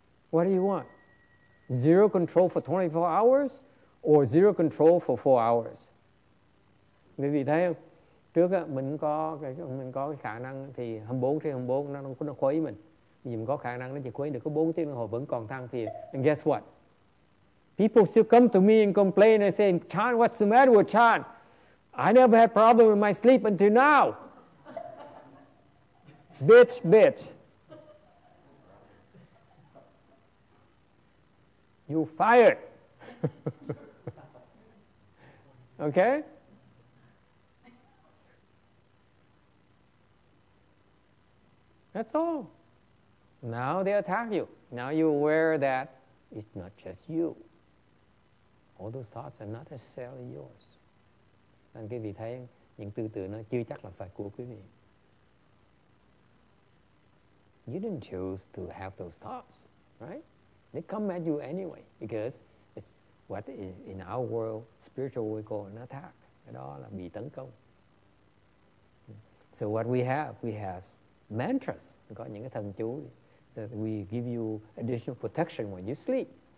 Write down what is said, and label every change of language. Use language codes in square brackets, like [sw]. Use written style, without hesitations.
[en] What do you want? Zero control for 24 hours or zero control for 4 hours? [vi] Các vị thấy không? Trước á, mình có cái khả năng thì 24/24 nó khuấy mình. Bây giờ mình có khả năng nó chỉ khuấy được có 4 tiếng đồng hồ vẫn còn thăng phiền. [en] And guess what? People still come to me and complain and say, Chan, what's the matter with Chan? I never had problem with my sleep until now. Bitch. You fired. Okay? That's all. Now they attack you. Now you're aware that it's not just you. All those thoughts are not necessarily yours. [vi] Nên quý vị thấy những tư tưởng nó chưa chắc là phải của quý vị. [en] You didn't choose to have those thoughts, right? They come at you anyway because it's what in our world, spiritual world, we call an attack. [vi] Cái đó là bị tấn công. [en] So what we have mantras, [vi] có những cái thần chú [en] that we give you additional protection when you sleep.